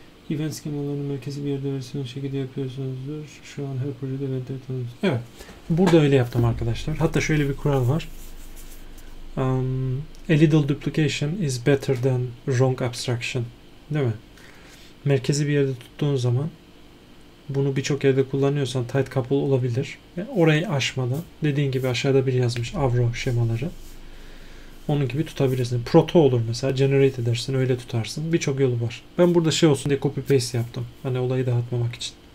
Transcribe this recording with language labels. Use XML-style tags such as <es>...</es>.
<tr>Event schemalarını merkezi bir yerde versiyonu şekilde yapıyorsunuzdur. Şu an her projede event tanımlıyorsunuz. Evet. Burada öyle yaptım arkadaşlar. Hatta şöyle bir kural var.</tr> <en>A little duplication is better than wrong abstraction.</en> <tr>Değil mi? Merkezi bir yerde tuttuğun zaman bunu birçok yerde kullanıyorsan tight couple olabilir. Yani orayı aşmadan dediğin gibi aşağıda bir yazmış Avro şemaları. Onun gibi tutabilirsin. Proto olur mesela. Generate edersin. Öyle tutarsın. Birçok yolu var. Ben burada şey olsun diye copy paste yaptım. Hani olayı dağıtmamak için.</tr>